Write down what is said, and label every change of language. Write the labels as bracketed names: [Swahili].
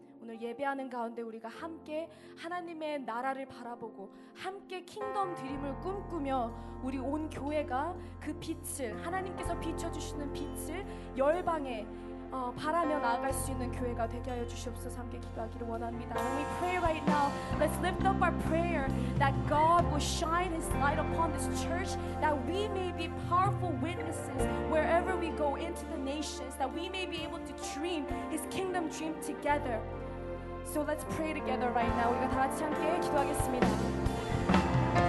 [Korean] 오늘 예배하는 가운데 우리가 함께 하나님의 나라를 바라보고 함께 킹덤 드림을 꿈꾸며 우리 온 교회가 그 빛을 하나님께서 비춰주시는 빛을 열방에 바라며 나아갈 수 있는 교회가 되게 하여 주시옵소서. 함께 기도하기를 원합니다. [English] When we pray right now, let's lift up our prayer that God will shine His light upon this church, that we may be powerful witnesses wherever we go into the nations, that we may be able to dream His kingdom dream together. So let's pray together right now. [Korean] 우리가 다 같이 함께 기도하겠습니다.